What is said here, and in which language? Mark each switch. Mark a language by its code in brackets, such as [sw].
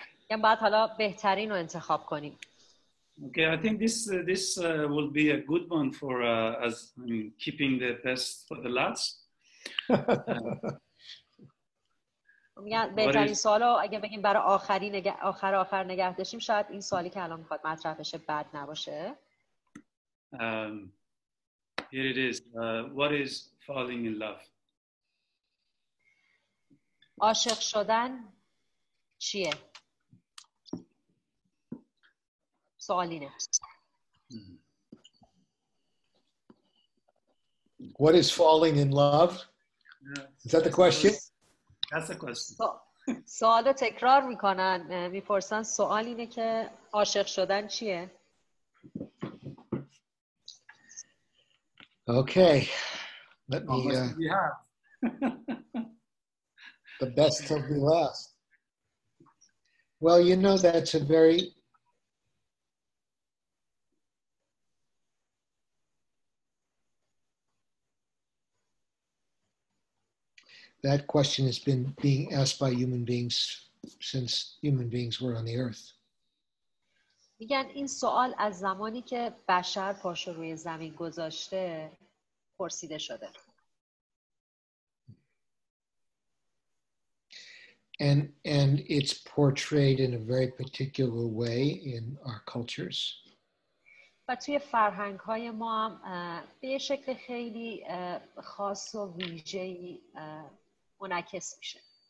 [fa] یعنی بعد حالا بهترین رو انتخاب کنیم. [en] Okay, I think this will be a good one for as I mean, keeping the best for the last. [fa] بهترین سوالو اگه بگیم برای آخری آخر نگه داشتیم شاید این سوالی که الان میخواد مطرح بشه بد نباشه. [en] Here it is. What is falling in love? [fa] عاشق شدن چیه؟ [en] What is falling in love? Is that the question? That's the question. [fa] سوالو تکرار میکنن میپرسن سوال اینه که عاشق شدن چیه؟ [en] Okay. Let me the best of the last. Well, you know that's a very that question has been being asked by human beings since human beings were on the earth. [fa] میگن این سوال از زمانی که بشر پاشو روی زمین گذاشته پرسیده شده. [en] And it's portrayed in a very particular way in our cultures. [fa] و توی فرهنگ‌های ما هم به شکل خیلی خاص و ویژه‌ای منعکس میشه.